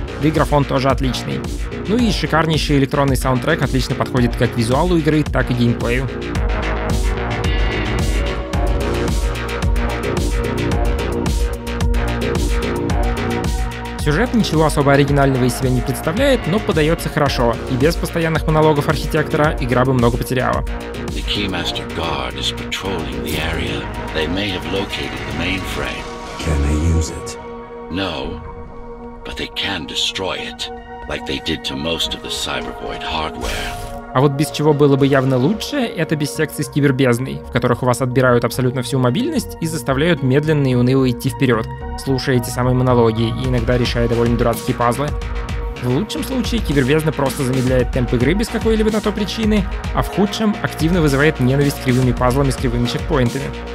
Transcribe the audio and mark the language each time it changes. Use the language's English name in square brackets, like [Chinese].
[Russian] Виграфон тоже отличный. Ну и шикарнейший электронный саундтрек отлично подходит как визуалу игры, так и геймплею. Сюжет ничего особо оригинального из себя не представляет, но подается хорошо, и без постоянных монологов архитектора игра бы много потеряла. [English] The Keymaster Guard is patrolling the area. They may have located the mainframe. Can they use it? No, but they can destroy it, like they did to most of the Cybervoid hardware. [Russian] А вот без чего было бы явно лучше, это без секций с кибербездной, в которых у вас отбирают абсолютно всю мобильность и заставляют медленно и уныло идти вперед, слушая эти самые монологи и иногда решая довольно дурацкие пазлы. В лучшем случае кибербездна просто замедляет темп игры без какой-либо на то причины, а в худшем активно вызывает ненависть кривыми пазлами с кривыми чекпоинтами.